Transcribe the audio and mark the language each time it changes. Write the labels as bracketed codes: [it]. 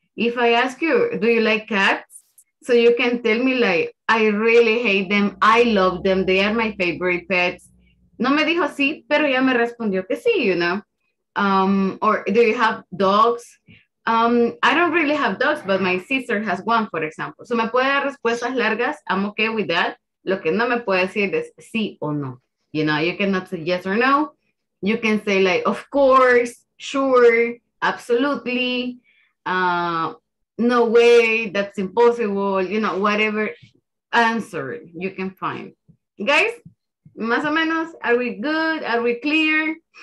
[en] If I ask you, do you like cats? So you can tell me like, I really hate them. I love them. They are my favorite pets. [es] No me dijo sí, pero ya me respondió que sí, [en] you know. Or do you have dogs? I don't really have dogs, but my sister has one, for example. [es] So me puede dar respuestas largas. [en] I'm okay with that. [es] Lo que no me puede decir es sí o no. [en] You know, you cannot say yes or no. You can say like, of course, sure, absolutely, no way, that's impossible, you know, whatever. Answer you can find. Guys, [es] más o menos, [en] are we good? Are we clear?